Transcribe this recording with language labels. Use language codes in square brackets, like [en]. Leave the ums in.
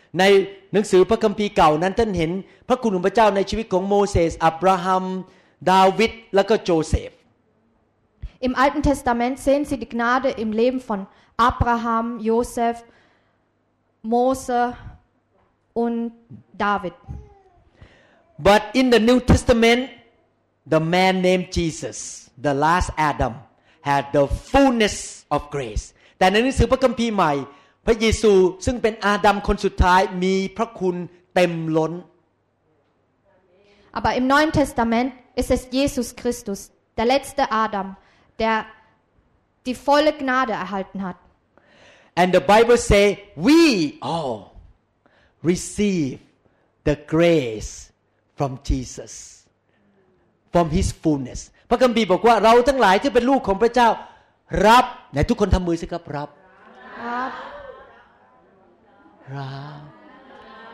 [th] ในหนังสือพระคัมภีร์เก่านั้นท่านเห็น พระคุณของพระเจ้าในชีวิตของโมเสส อับราฮัม ดาวิด และก็โจเซฟ [de] Im Alten Testament sehen Sie die Gnade im Leben von Abraham, Josef, Mose und David. [en] But in the New Testament, the man named Jesus, the last Adam, had the fullness of grace. [th] แต่ในหนังสือพระคัมภีร์ใหม่พระเยซูซึ่งเป็นอาดัมคนสุดท้ายมีพระคุณเต็มล้น [de] Aber im Neuen Testament ist es Jesus Christus, der letzte Adam, der die volle Gnade erhalten hat. [en] And the Bible say, we all receive the grace from Jesus, from His fullness. [th] พระคัมภีร์บอกว่าเราทั้งหลายที่เป็นลูกของพระเจ้ารับไหนทุกคนทำมือสิครับรับรบครับร